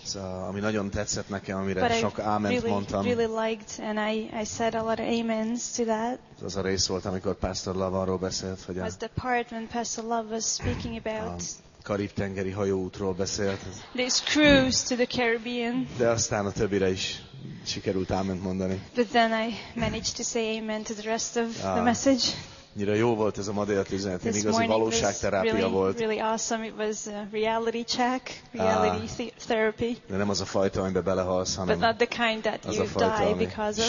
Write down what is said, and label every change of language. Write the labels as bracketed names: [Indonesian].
[Hungarian] Az a, ami nagyon tetszett nekem, amire sok áment mondtam. [English] Really liked, and I said a lot of amens to that. [Hungarian] Az a rész volt, amikor Pastor Love arról beszélt, hogy. [English] Was the part when Pastor Love was speaking about. [Hungarian] Karib-tengeri hajóútról beszélt. [English] This cruise to the Caribbean. [Hungarian] De aztán a többire is sikerült áment mondani. [English] But then I managed to say amen to the rest of the message. [Hungarian] Annyira jó volt ez a ma délt üzenet. Én igazi valóságterápia [English] really, [Hungarian] volt. [English] Really awesome. It was a reality check, reality therapy. [Hungarian] De nem az a fajta, amiben belehalsz, hanem [English] but not the kind that you die because of,